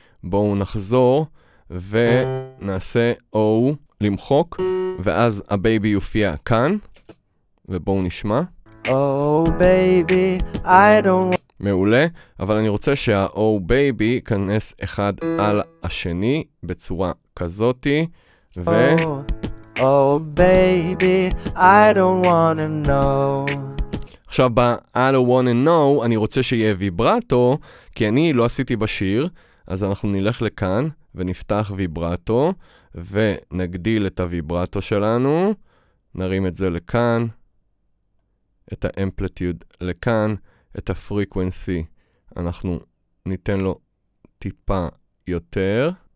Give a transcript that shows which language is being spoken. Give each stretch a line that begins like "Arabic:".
Hebrew: בואו נחזור ונעשה oh למחוק, ואז הבייבי יופיע כאן, ובואו נשמע.
English: Oh baby I don't.
Hebrew: מעולה, אבל אני רוצה שה-oh baby ייכנס אחד על השני בצורה כזאתי, ו...
English: Oh baby, I don't wanna know.
Hebrew: עכשיו ב-
English: I don't wanna know,
Hebrew: אני רוצה שיהיה ויברטו, כי אני לא עשיתי בשיר, אז אנחנו נלך לכאן ונפתח ויברטו, ונגדיל את הויברטו שלנו, נרים את זה לכאן, את האמפליטיוד לכאן, את הפריקוונסי אנחנו ניתן לו טיפה יותר,